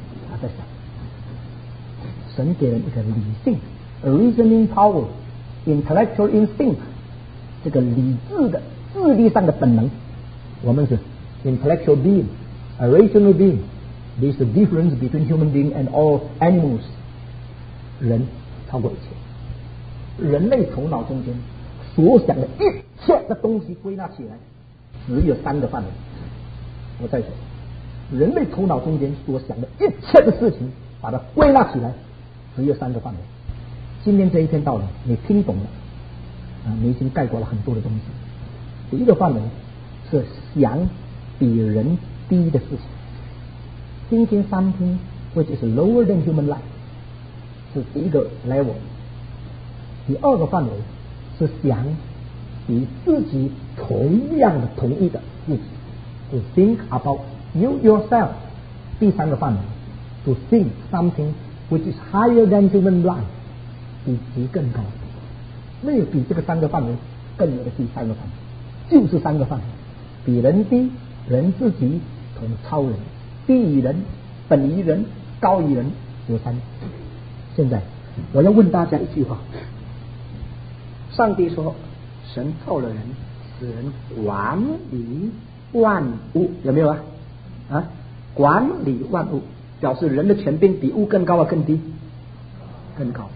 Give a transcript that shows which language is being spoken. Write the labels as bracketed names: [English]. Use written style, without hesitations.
[Chinese] 他在想，神给人一个理性 [English] reasoning power intellectual instinct， [Chinese] 这个理智的智力上的本能，我们是 [English] intellectual being a rational being， this is the difference between human being and all animals， [Chinese] 人超过一切。人类头脑中间所想的一切的东西归纳起来只有三个范围。我再说，人类头脑中间所想的一切的事情把它归纳起来只有三个范围。今天这一天到了，你听懂了啊，你已经概括了很多的东西。第一个范围是想比人低的事情， [English] thinking something which is lower than human life， [Chinese] 是第一个 level。第二个范围是想与自己同样的同一的自己， [English] to think about you yourself。 [Chinese] 第三个范围， [English] to think something which is higher than human life， [Chinese] 比其更高。没有比这个三个范围更有的第三个范围，就是三个范围，比人低，人自己同超人，低于人，本于人，高于人，有三。现在我要问大家一句话，上帝说神造了人使人管理万物，有没有 啊管理万物表示人的权柄比物更高啊更低？更高。